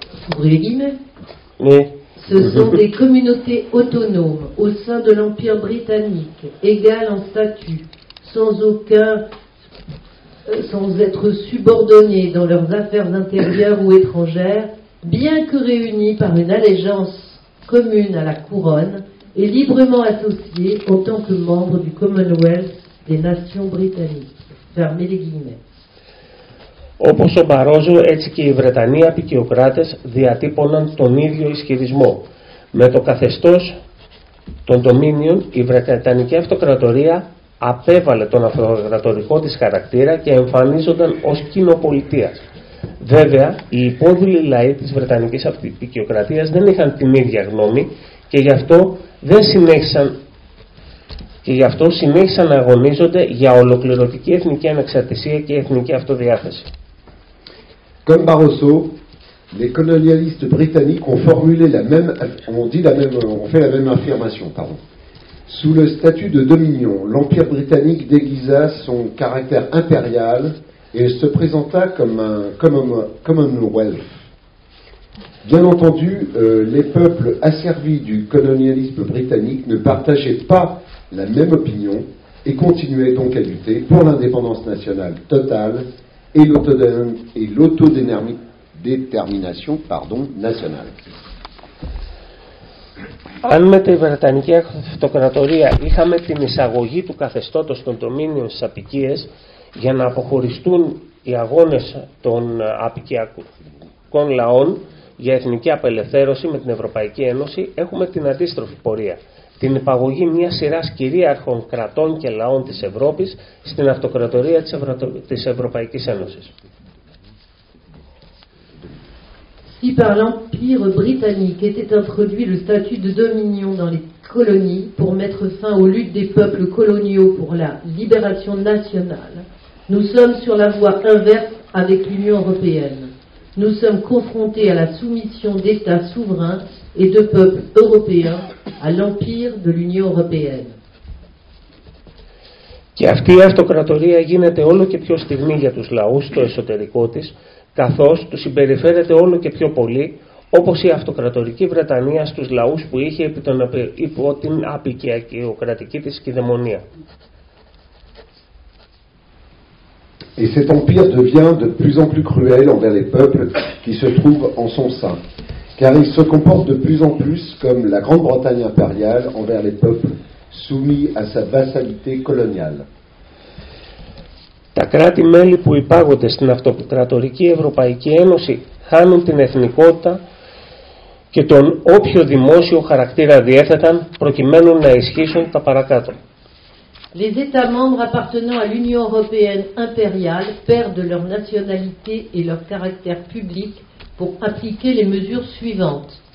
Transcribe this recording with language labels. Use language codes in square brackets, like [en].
[fr] Pour les guillemets, oui. Ce sont des communautés autonomes au sein de l'Empire britannique, égales en statut, sans être subordonnées dans leurs affaires intérieures ou étrangères, bien que réunies par une allégeance commune à la couronne et librement associées en tant que membres du Commonwealth des nations britanniques. Fermez les guillemets. [el] Όπως ο Μπαρόζο, έτσι και οι Βρετανοί αποικιοκράτες διατύπωναν τον ίδιο ισχυρισμό. Με το καθεστώς των Dominion, η Βρετανική Αυτοκρατορία απέβαλε τον αυτοκρατορικό της χαρακτήρα και εμφανίζονταν ως κοινοπολιτείας. Βέβαια, οι υπόδουλοι λαοί της Βρετανικής αποικιοκρατίας δεν είχαν την ίδια γνώμη και γι' αυτό δεν συνέχισαν να αγωνίζονται για ολοκληρωτική εθνική ανεξαρτησία και εθνική αυτοδιάθεση. [fr] Comme Barroso, les colonialistes britanniques ont formulé la même, ont fait la même affirmation. Sous le statut de dominion, l'Empire britannique déguisa son caractère impérial et se présenta comme un Commonwealth. Bien entendu, les peuples asservis du colonialisme britannique ne partageaient pas la même opinion et continuait donc à lutter pour l'indépendance nationale totale et l'autodétermination nationale. [el] Αν με τη Βρετανική Αυτοκρατορία είχαμε την εισαγωγή του καθεστώτος των Dominion στις αποικίες για να αποχωριστούν οι αγώνες των αποικιακών λαών για εθνική απελευθέρωση με την Ευρωπαϊκή Ένωση, έχουμε την αντίστροφη πορεία. Την υπαγωγή μια σειρά κυρίαρχων κρατών και λαών της Ευρώπης στην αυτοκρατορία της Ευρωπαϊκής Ένωσης. [fr] Si par l'Empire britannique était introduit le statut de dominion dans les colonies pour mettre fin aux luttes des peuples coloniaux pour la libération nationale, nous sommes sur la voie inverse avec l'Union européenne. Nous sommes confrontés à la soumission d'États souverains et de peuples européens à l'empire de l'Union européenne. [el] Και αυτή η αυτοκρατορία γίνεται όλο και πιο στιγμή για τους λαούς στο εσωτερικό της, καθώς τους συμπεριφέρεται όλο και πιο πολύ όπως η αυτοκρατορική Βρετανία στους λαούς που είχε υπό την αποικιοκρατική της κυδαιμονία. [fr] Et cet empire devient de plus en plus cruel envers les peuples qui se trouvent en son sein, car il se comporte de plus en plus comme la Grande-Bretagne impériale envers les peuples soumis à sa vassalité coloniale. [el] Τα κράτη-μέλη που υπάγονται στην αυτοκρατορική Ευρωπαϊκή Ένωση χάνουν την εθνικότητα και τον όποιο δημόσιο χαρακτήρα διέθεταν προκειμένου να ισχύσουν τα παρακάτω. [fr] Les États membres appartenant à l'Union européenne impériale perdent leur nationalité et leur caractère public pour appliquer les mesures suivantes.